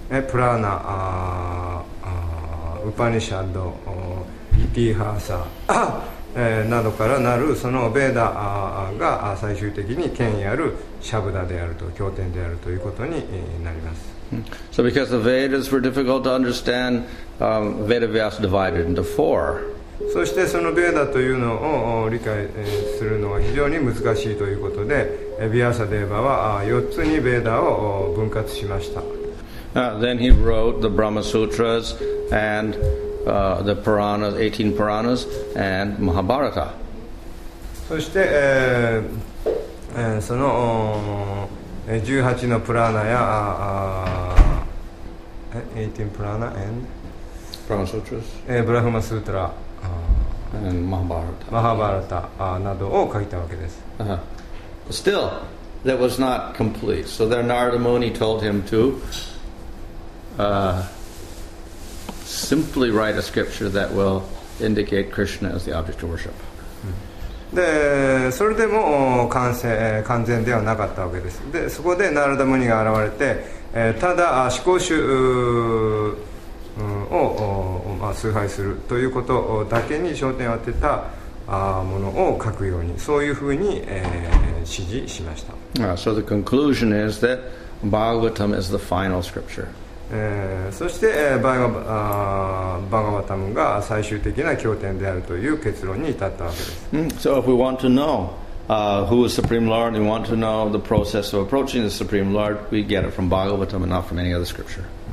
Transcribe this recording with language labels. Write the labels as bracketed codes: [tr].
[ja] プラーナウパニシャドイティハーサなどからなるそのベーダが最終的に権威あるシャブダであると経典であるということになります。 [en] So because the Vedas were difficult to understand、Vedavyasa divided into four。 [ja] そしてそのベーダというのを理解するのは非常に難しいということでヴィアーサデーバは4つにベーダを分割しました。 [en] Then he wrote the Brahma Sutras andthe Puranas, 18 Puranas, and Mahabharata. [ja] そして、その18のプラーナや、 [en] 18 Purana and Brahma Sutras, Brahma Sutra, and Mahabharata, [ja] Mahabharata、などを書いたわけです。 [en] Still, that was not complete. So then Narada Muni told him to. Simply write a scripture that will indicate Krishna as the object of worship. [ja] で、それでも完成、完全ではなかったわけです。で、そこでナラダムニが現れて、ただ思考集を、まあ、崇拝するということだけに焦点を当てたものを書くように、そういうふうに、指示しました。 [en] So the conclusion is that Bhagavatam is the final scripture. [ja] そして、バガバタムが最終的な経典であるという結論に至ったわけです。 [en] So if we want to know who is Supreme Lord, we want to know the process of approaching the Supreme Lord, we get it from Bhagavatam and not from any other scripture.